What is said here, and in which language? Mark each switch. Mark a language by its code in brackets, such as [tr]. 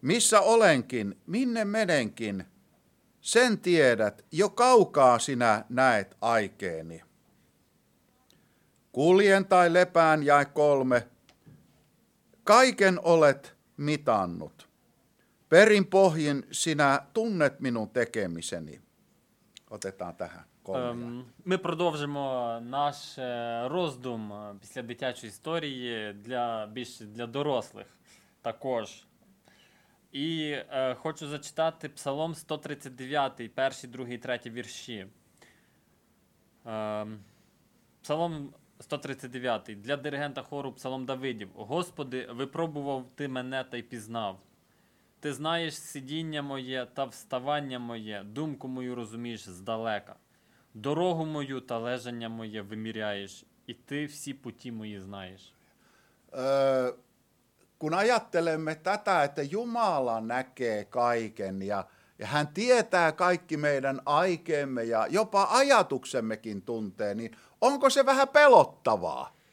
[fi] Missä olenkin, minne menenkin, sen tiedät, jo kaukaa sinä näet aikeeni. Kuljen tai lepään, jae 3, kaiken olet mitannut. Perin pohjin sinä tunnet minun tekemiseni. Otetaan tähän. [uk] Ми продовжимо наш роздум після дитячої історії для більш для дорослих також. І хочу зачитати Псалом 139, перші, другі, треті вірші. Псалом 139 для диригента хору Псалом Давидів. Господи, випробував ти мене та й пізнав. Ти знаєш сидіння моє та вставання моє, думку мою розумієш здалека. Дорогу мою та лежання моє виміряєш, і ти всі путі мої знаєш. [fi] Kun ajattelemme tätä, että Jumala näkee kaiken ja hän tietää kaikki meidän aikeemme ja jopa ajatuksemmekin tuntee, niin onko se vähän pelottavaa?